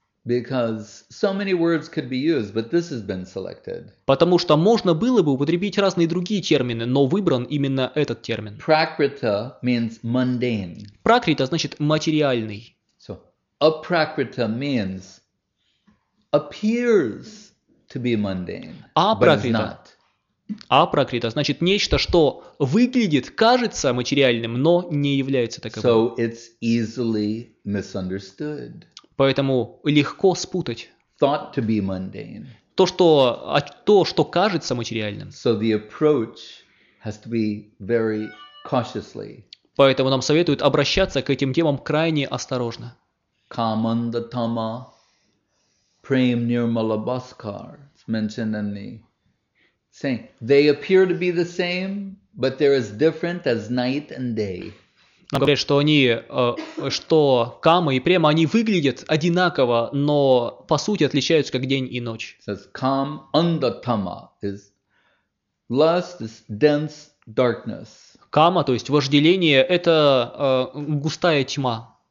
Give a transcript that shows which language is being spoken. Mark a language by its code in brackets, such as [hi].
[en] Because so many words could be used, but this has been selected. [ru] Потому что можно было бы употребить разные другие термины, но выбран именно этот термин. [en] Prakrita means mundane. [ru] Prakrita значит материальный. [en] So, aprakrita means appears to be mundane, but is not. [ru] Апракрита значит нечто, что выглядит, кажется материальным, но не является таковым. [en] So it's easily misunderstood. [ru] Поэтому легко спутать [en] thought to be mundane. [ru] То, что кажется материальным. [en] So the approach has to be very cautiously. [ru] Поэтому нам советуют обращаться к этим темам крайне осторожно. [sa] Камандатама прем нирмалабаскар. [en] It's mentioned in the saying. They appear to be the same, but they're as different as night and day. [ru] Нам говорят, что они, что кама и према, они выглядят одинаково, но по сути отличаются как день и ночь. [en] Says kam andatama is lust is dense darkness. [ru] Кама, то есть вожделение, это густая тьма.